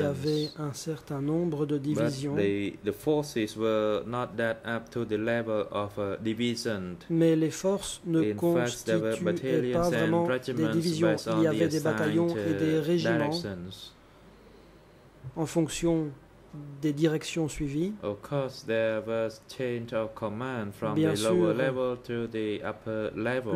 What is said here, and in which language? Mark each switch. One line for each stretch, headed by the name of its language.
French: il y avait un certain nombre de divisions.
English: But the forces were not that up to the level of a division.
French: Mais les forces ne constituaient pas vraiment des divisions. Il y avait des bataillons et des régiments en fonction des directions suivies.
English: Of course, there was change of command from the lower level to the upper level.